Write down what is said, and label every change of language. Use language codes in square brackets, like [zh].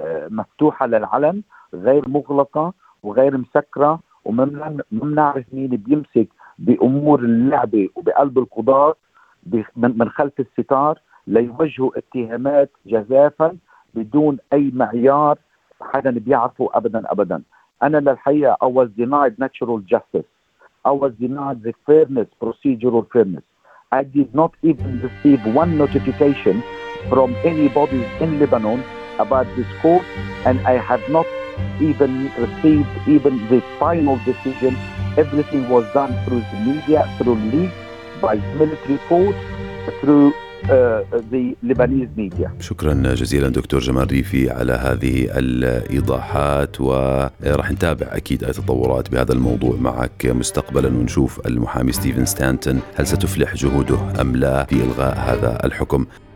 [ar] مفتوحة للعلن، غير مغلقة وغير مسكرة، وما نعرف مين بيمسك بأمور اللعبة وبقلب القضاء من خلف الستار ليوجهوا اتهامات جزافا بدون أي معيار حدا بيعرفه أبدا. أنا للحقيقة أول [en] denied natural justice، [ar] أول [en] denied the fairness, procedural fairness. I did not even receive one notification from anybody in Lebanon about this court, and I had not even received even the final decision. Everything was done through the media, through leaks, by military force, through the Lebanese media. [ar] شكرا جزيلا دكتور جمال ريفي على هذه الإيضاحات، ورح نتابع أكيد التطورات بهذا الموضوع معك مستقبلا، ونشوف المحامي ستيفن ستانتون هل ستفلح جهوده أم لا في إلغاء هذا الحكم.